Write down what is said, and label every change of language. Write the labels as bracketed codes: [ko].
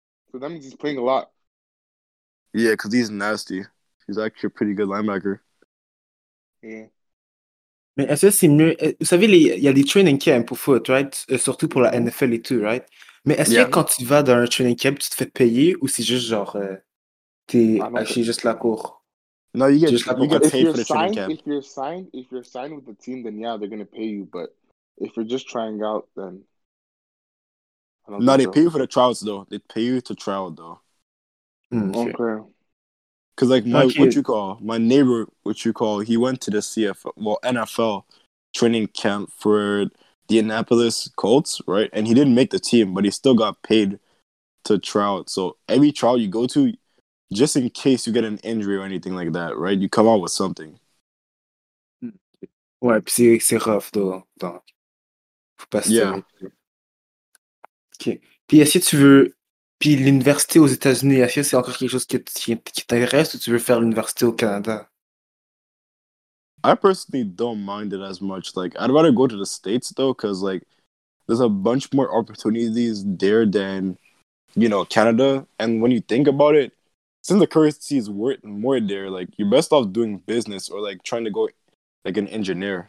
[en] So that means he's playing a lot. Yeah, because he's nasty. He's actually a pretty good linebacker. Yeah. [fr] Mais est-ce que c'est mieux... Vous savez, il y a des training camps pour foot, right? Surtout pour la NFL et tout, right? Mais est-ce que quand tu vas dans un training camp, tu te fais payer ou c'est juste genre... juste la cour? [en] No, you get paid for the signed, training camp. If you're signed with the team, then yeah, they're going to pay you. But if you're just trying out, then... No, they pay you for the trials, though. They pay you to trial, though. Okay. Because, like, my neighbor, he went to the NFL training camp for the Annapolis Colts, right? And he didn't make the team, but he still got paid to try out. So every trial you go to, just in case you get an injury or anything like that, right? You come out with something. [fr] Ouais, puis c'est rough, though. Faut pas se... Yeah. OK. Puis est-ce que tu veux... Puis l'université aux États-Unis, est-ce que c'est encore quelque chose qui t'intéresse ou tu veux faire l'université au Canada? [en] I personally don't mind it as much. Like, I'd rather go to the States, though, because, like, there's a bunch more opportunities there than, you know, Canada. And when you think about it, since the currency is worth more there, like, you're best off doing business or, like, trying to go, like, an engineer.